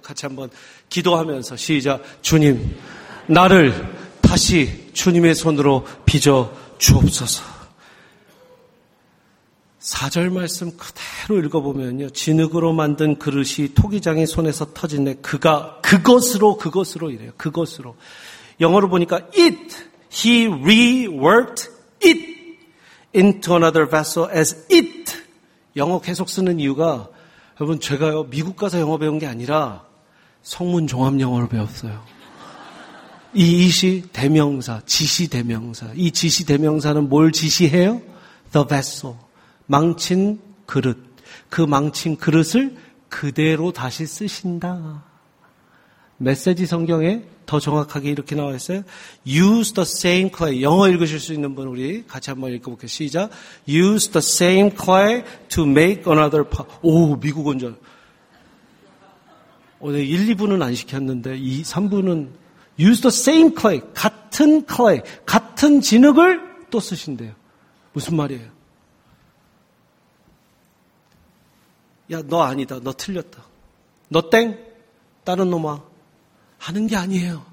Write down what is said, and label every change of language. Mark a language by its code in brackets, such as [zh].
[ko] 같이 한번 기도하면서 시작. 주님, 나를 다시 주님의 손으로 빚어주옵소서. 4절 말씀 그대로 읽어보면요. 진흙으로 만든 그릇이 토기장의 손에서 터지네. 그가 그것으로 이래요. 그것으로. 영어로 보니까 it. [en] He reworked it into another vessel as it. [ko] 영어 계속 쓰는 이유가, 여러분, 제가요, 미국 가서 영어 배운 게 아니라 성문 종합 영어를 배웠어요. 이 it이 대명사, 지시 대명사. 이 지시 대명사는 뭘 지시해요? [en] The vessel. [ko] 망친 그릇. 그 망친 그릇을 그대로 다시 쓰신다. 메시지 성경에 더 정확하게 이렇게 나와 있어요. [en] Use the same clay. [ko] 영어 읽으실 수 있는 분 우리 같이 한번 읽어볼게요. 시작. [en] Use the same clay to make another pot. [ko] 오, 미국 온 줄. 오늘 1, 2부는 안 시켰는데 2, 3부는 [en] Use the same clay. [ko] 같은 clay. 같은 진흙을 또 쓰신대요. 무슨 말이에요? 야, 너 아니다. 너 틀렸다. 너 땡. 다른 놈아. 하는 게 아니에요.